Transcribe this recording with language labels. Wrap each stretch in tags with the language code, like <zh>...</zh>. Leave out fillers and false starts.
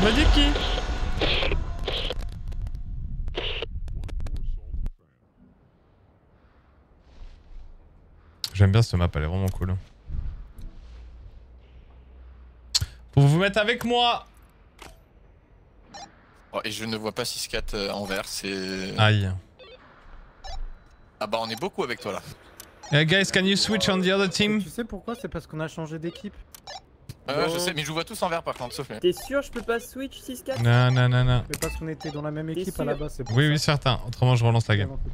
<fr>Bodiki ! J'aime bien cette map, elle est vraiment cool. Pour vous mettre avec moi ! Oh, et je ne vois pas 6-4 en vert, c'est... Aïe. Ah bah, on est beaucoup avec toi, là.</fr> <en>Hey guys, can you switch on the other team?</en> <fr>Tu sais pourquoi? C'est parce qu'on a changé d'équipe. Je sais, mais je vous vois tous en vert par contre, sauf T'es sûr je peux pas switch 6-4? Non. Mais parce qu'on était dans la même équipe à la base, c'est pour oui, ça. Oui, certain. Autrement, je relance la game.</fr>